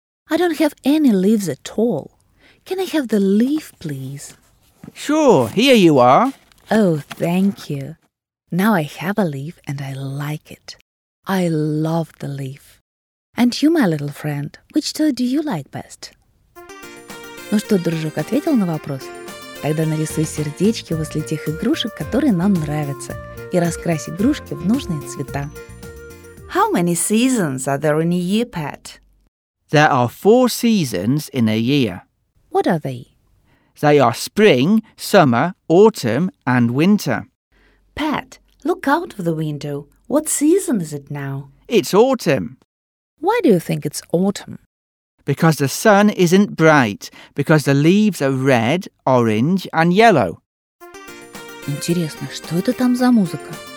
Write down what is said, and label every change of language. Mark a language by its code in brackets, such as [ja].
[en] I don't have any leaves at all. Can I have the leaf, please? Sure, here you are. Oh, thank you. Now I have a leaf and I like it. I love the leaf. And you, my little friend, which toy do you like best? [ru] Ну что, дружок, ответил на вопрос? Тогда нарисуй сердечки возле тех игрушек, которые нам нравятся, и раскрась игрушки в нужные цвета. [en] How many seasons are there in a year, Pat? There are 4 seasons in a year. What are they? They are spring, summer, autumn and winter. Pat, look out of the window. What season is it now? It's autumn. Why do you think it's autumn? Because the sun isn't bright, because the leaves are red, orange and yellow. [ru] Интересно, что это там за музыка?